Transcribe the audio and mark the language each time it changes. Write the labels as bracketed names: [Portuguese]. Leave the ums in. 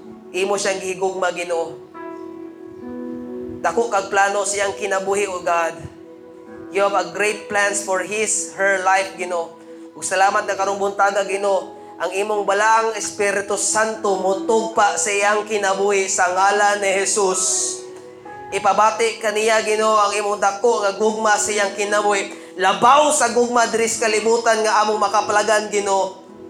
[Cebuano] Imo siyang gihigugma Ginoo. Dako kag plano siyang kinabuhi o God. [English] You have a great plans for his, her life, Gino. [Cebuano] Ug salamat na karong buntaga, Gino. Ang imong balang Espiritu Santo motugpa sa iyang kinabuhi sa ngalan ni Jesus. Ipabati kaniya Gino ang imong dako nga gugma sa iyang kinabuhi. Labaw sa gugma diris kalibutan nga among makapalagan Gino.